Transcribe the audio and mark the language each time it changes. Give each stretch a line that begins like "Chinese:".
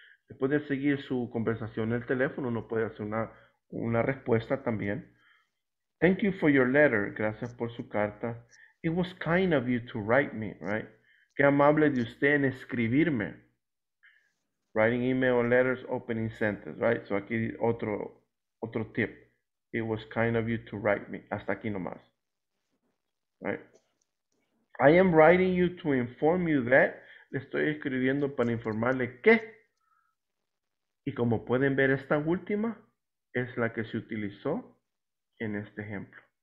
Spanish: Después de seguir su conversación en el teléfono, uno puede hacer una respuesta también.
English: Thank you for your letter.
Spanish: Gracias por su carta.
English: It was kind of you to write me, right?
Spanish: Qué amable de usted en escribirme.
English: Writing email letters, opening sentence, right? So
Spanish: aquí otro tip.
English: It was kind of you to write me.
Spanish: Hasta aquí nomás.
English: Right? I am writing you to inform you that.
Spanish: Le estoy escribiendo para informarle que. Y como pueden ver, esta última es la que se utilizó en este ejemplo.